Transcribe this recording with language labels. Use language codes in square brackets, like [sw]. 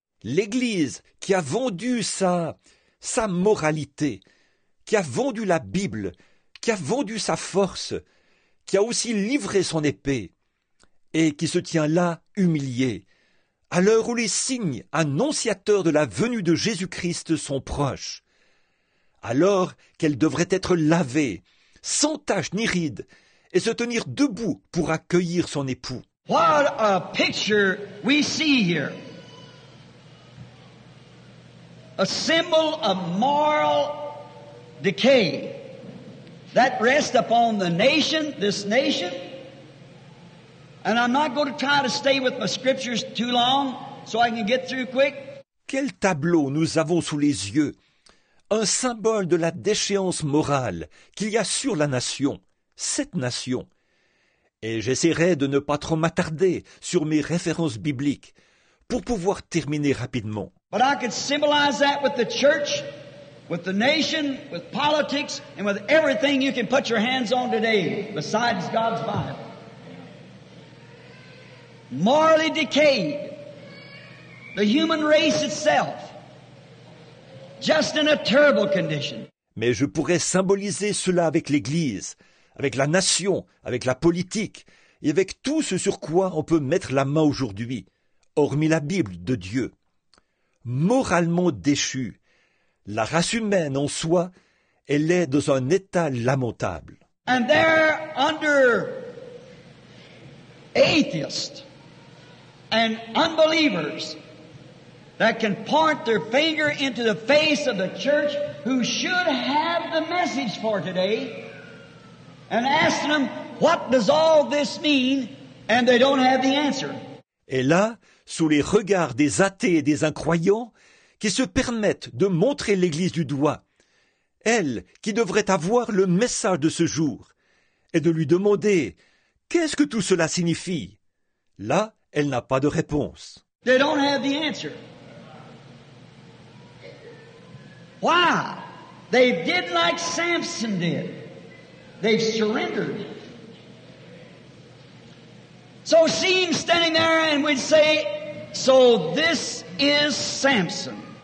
[fr] L'Église qui a vendu sa moralité, qui a vendu la Bible, qui a vendu sa force, qui a aussi livré son épée, et qui se tient là humilié, à l'heure où les signes annonciateurs de la venue de Jésus-Christ sont proches, alors qu'elle devrait être lavée, sans tache ni ride, et se tenir debout pour accueillir son époux. [en] What a picture we see here. A symbol of moral decay. That rests upon the nation, this nation. And I'm not going to try to stay with my scriptures too long so I can get through quick. [fr] Quel tableau nous avons sous les yeux? Un symbole de la déchéance morale qu'il y a sur la nation, cette nation. Et j'essaierai de ne pas trop m'attarder sur mes références bibliques pour pouvoir terminer rapidement. [en] But I could symbolize that with the church, with the nation, with politics, and with everything you can put your hands on today besides God's Bible. Morally decayed, the human race itself, just in a terrible condition. [fr] Mais je pourrais symboliser cela avec l'Église, avec la nation, avec la politique, et avec tout ce sur quoi on peut mettre la main aujourd'hui, hormis la Bible de Dieu. Moralement déchu, la race humaine en soi, elle est dans un état lamentable. [en] And they're under atheists and unbelievers that can point their finger into the face of the church who should have the message for today and ask them, what does all this mean? And they don't have the answer. [fr] Et là, sous les regards des athées et des incroyants, qui se permettent de montrer l'Église du doigt, elle qui devrait avoir le message de ce jour, et de lui demander « Qu'est-ce que tout cela signifie ?» Là, elle n'a pas de réponse. [en] They don't have the answer. Why? They did like Samson did. They've surrendered. So seeing standing there and we'd say, so this is Samson.